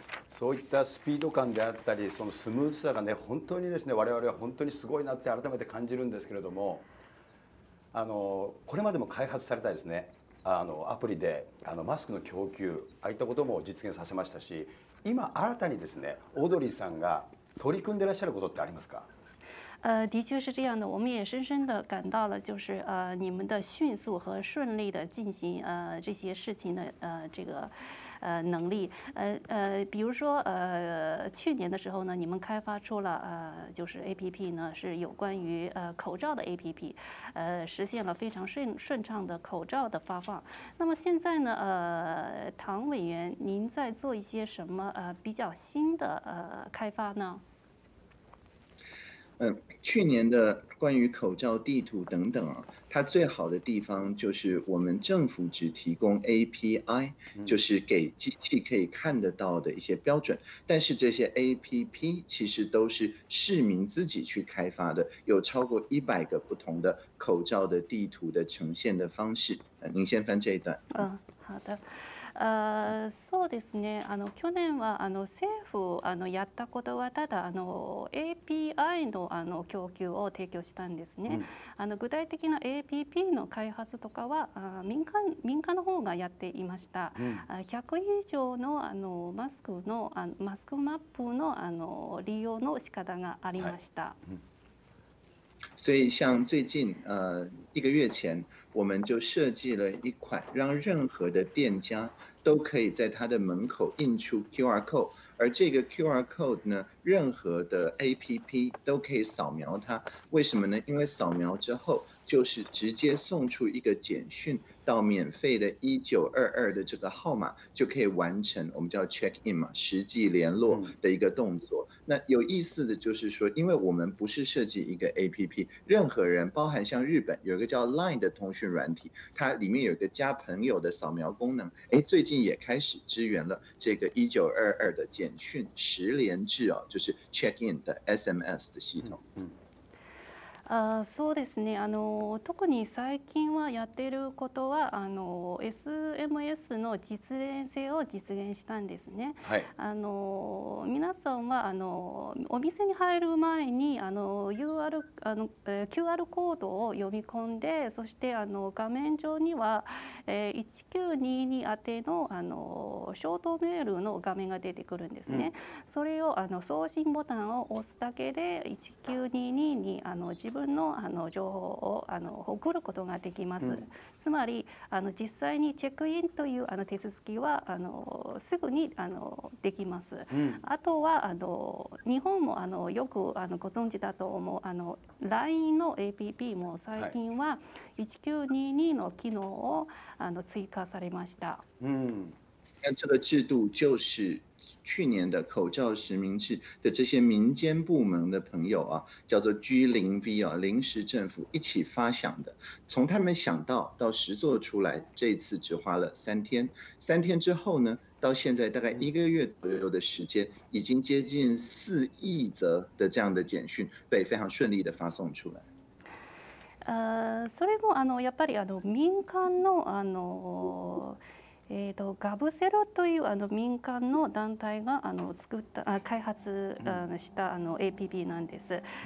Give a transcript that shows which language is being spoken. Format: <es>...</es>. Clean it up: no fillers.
<ja>そういったスピード感であったり、そのスムーズさがね、本当にですね、我々は本当にすごいなって改めて感じるんですけれども、これまでも開発されたですね、アプリでマスクの供給、ああいったことも実現させましたし、今新たにですね、オードリーさんが取り組んでいらっしゃることってありますか？</ja> <zh>的确是这样的，我们也深深的感到了，就是你们的迅速和顺利的进行这些事情的这个。能力，比如说，去年的时候呢，你们开发出了就是 APP 呢，是有关于口罩的 APP，实现了非常顺畅的口罩的发放。那么现在呢，唐委员，您在做一些什么比较新的开发呢？去年的关于口罩地图等等啊，它最好的地方就是我们政府只提供 API，就是给机器可以看得到的一些标准。但是这些 APP 其实都是市民自己去开发的，有超过100个不同的口罩的地图的呈现的方式。您先翻这一段。好的。</zh> <ja>そうですね。去年は政府やったことは、ただAPI の供給を提供したんですね。具体的な APP の開発とかは民間の方がやっていました。 100以上のマスクのマスクマップの利用の仕方がありました。</ja> <zh>所以，像最近1个月前，我们就设计了一款，让任何的店家都可以在他的门口印出 QR code，而这个 QR code 呢，任何的 APP 都可以扫描它。为什么呢？因为扫描之后，就是直接送出一个简讯到免费的1922的这个号码，就可以完成我们叫 check in 嘛，实际联络的一个动作。那有意思的就是说，因为我们不是设计一个 APP，任何人，包含像日本有一个叫 LINE 的通讯软体，它里面有一个加朋友的扫描功能，最近也开始支援了这个1922的简讯实联制哦，就是 check in 的 SMS 的系统。</zh> <ja>そうですね。特に最近はやっていることは、SNS SMS の実現性を実現したんですね。はい、皆さんはお店に入る前に QR コードを読み込んで、そして画面上には1922宛てのショートメールの画面が出てくるんですね。うん、それを送信ボタンを押すだけで1922に自分の情報を送ることができます。うん、つまり実際にチェックインという手続きはすぐにできます。うん、あとは日本もよくご存知だと思う LINE の APP も最近は1922の機能を追加されました。うん、</ja> <zh>这个制度就是去年的口罩实名制的这些民间部门的朋友啊，叫做 G0V 啊，临时政府一起发想的。从他们想到实作出来，这次只花了3天。 3天之后呢，到现在大概1个月左右的时间，已经接近4亿则的这样的简讯被非常顺利的发送出来。</zh> <ja>それもやっぱり民間の ガブセロという民間の団体が作った開発した APP なんです。</ja>